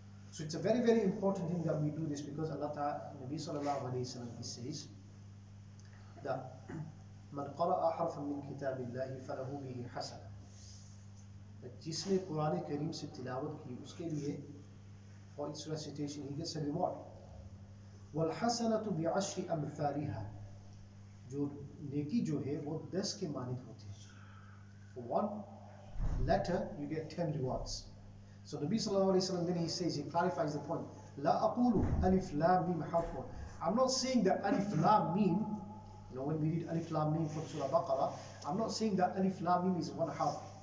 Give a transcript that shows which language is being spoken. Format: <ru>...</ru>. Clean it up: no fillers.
<en>So it's a very, very important thing that we do this, because Allah Ta'ala, Nabi sallallahu alayhi wa sallam, he says that</en> <ar>man qara'a harfan min kitabillahi falahu bihi hasana,</ar> <en>that</en> <ur>jisne Quran Kareem se tilawat ki uske liye,</ur> <en>for its recitation, he gets a reward.</en> <ar>وَالْحَسَنَةُ بِعَشْرِ أَمْثَالِهَا,</ar> <ur>جو نیکی جو ہے وہ دس کے مانند ہوتی ہے.</ur> <en>For one letter, you get 10 rewards. So Nabi صلی اللہ علیہ وسلم, then he says, he clarifies the point.</en> <ar>لَا أَقُولُ أَلِفْ لَا مِمْ حَرْفُ.</ar> <en>I'm not saying that أَلِفْ لَا مِمْ, you know, when we read أَلِفْ لَا مِمْ from Surah Baqarah, I'm not saying that أَلِفْ لَا مِمْ is one half.</en>